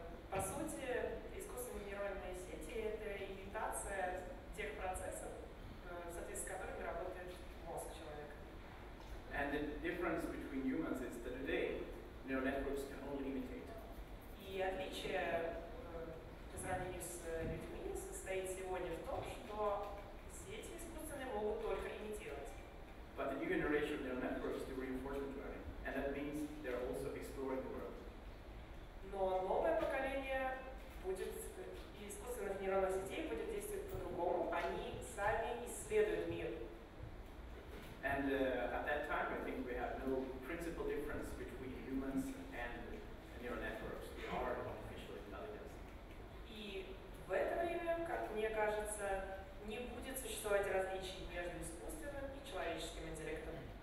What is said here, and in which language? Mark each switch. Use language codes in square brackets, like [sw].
[ru] По сути, искусственные нейронные сети – это имитация тех процессов, в соответствии с которыми работает мозг человека. [en] And the difference between humans is that today neural networks can only imitate. [ru] И отличие по сравнению с людьми состоит сегодня в том, что сети искусственные могут только имитировать. [en] But the new generation of neural networks do reinforcement learning, and that means they are also exploring the world. [ru] Но новое поколение будет, и искусственных нейронных сетей будет действовать по-другому. Они сами исследуют мир. [en] And at that time, I think we have no principal difference between humans and neural networks. They are artificial intelligence. [ru] И в это время, как мне кажется, не будет существовать различий между искусственным и человеческим интеллектом.